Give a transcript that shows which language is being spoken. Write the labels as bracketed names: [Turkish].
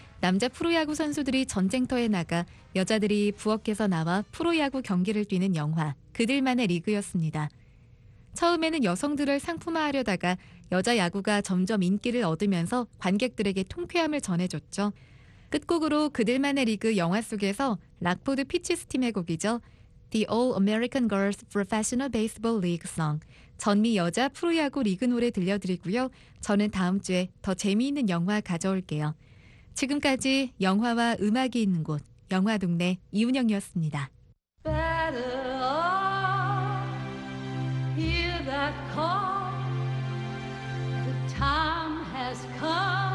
[Korean] 남자 프로야구 선수들이 전쟁터에 나가 여자들이 부엌에서 나와 프로야구 경기를 뛰는 영화 그들만의 리그였습니다. 처음에는 여성들을 상품화하려다가 여자 야구가 점점 인기를 얻으면서 관객들에게 통쾌함을 전해줬죠. 끝곡으로 그들만의 리그 영화 속에서 락포드 피치스팀의 곡이죠. The All-American Girls Professional Baseball League Song, 전미 여자 프로야구 리그 노래 들려드리고요. 저는 다음 주에 더 재미있는 영화 가져올게요. 지금까지 영화와 음악이 있는 곳, 영화 동네 이운영이었습니다. [English] Better, oh, hear that call. The time has come.